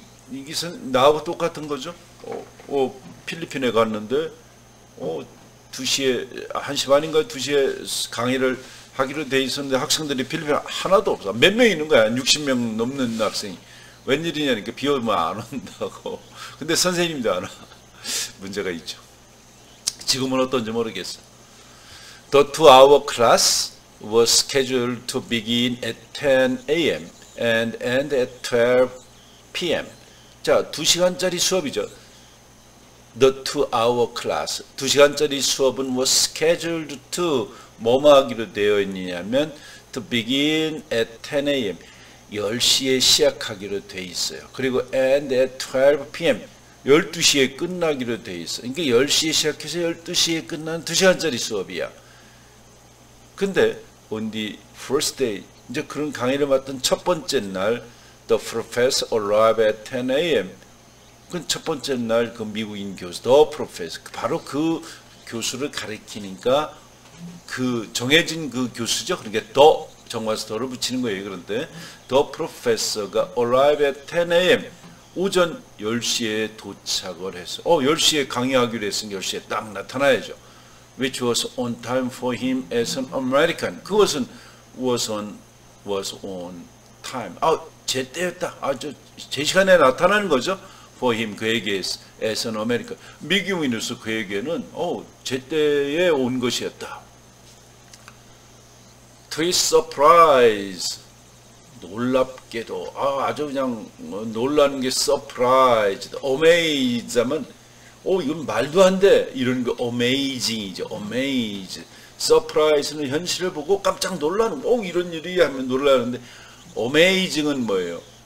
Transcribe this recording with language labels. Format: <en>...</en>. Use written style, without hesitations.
<ko>이게 나하고 똑같은 거죠. 필리핀에 갔는데 2시 반인가 2시에 강의를 하기로 돼 있었는데 학생들이 필리핀 하나도 없어. 몇 명 있는 거야? 60명 넘는 학생이. 웬일이냐니까 비 오면 안 온다고. 근데 선생님도 안 와. 문제가 있죠. 지금은 어떤지 모르겠어.</ko> <en>The 2-hour class was scheduled to begin at 10 a.m. and end at 12 p.m.</en> <ko>자, 2시간짜리 수업이죠.</ko> <en>The 2-hour class.</en> <ko>2시간짜리 수업은</ko> <en>was scheduled to</en> <ko>뭐뭐 하기로 되어 있냐면</ko> <en>to begin at 10 a.m.</en> <ko>10시에 시작하기로 돼 있어요. 그리고</ko> <en>end at 12 p.m.</en> <ko>12시에 끝나기로 돼 있어. 그러니까 10시에 시작해서 12시에 끝나는 2시간짜리 수업이야.</ko> <en>근데 on the first day</en> <ko>이제 그런 강의를 맡은 첫 번째 날</ko> <en>the professor arrived at 10 a.m.</en> <ko>그 첫 번째 날 그 미국인 교수</ko> <en>the professor</en> <ko>바로 그 교수를 가리키니까 그 정해진 그 교수죠. 그러니까 the 정화에서 the를 붙이는 거예요. 그런데 the professor가</ko> <en>arrived at 10 a.m.</en> <ko>오전 10시에 도착을 해서 10시에 강의하기로 했으니까 10시에 딱 나타나야죠.</ko> <en>Which was on time for him as an American.</en> <ko>그것은</ko> <en>was on time.</en> <ko>아, 제때였다. 아주 제 시간에 나타나는 거죠.</ko> <en>For him,</en> <ko>그에게</ko> <en>as an American.</en> <ko>미국인으로서 그에게는 제때에 온 것이었다.</ko> <en>To his surprise.</en> <ko>놀랍게도 아주 그냥 놀라는 게 surprise, amaze 하면 이건 말도 안 돼 이런 게 amazing이죠 amaze surprise는 현실을 보고 깜짝 놀라는 이런 일이 하면 놀라는데 amazing은 뭐예요?</ko>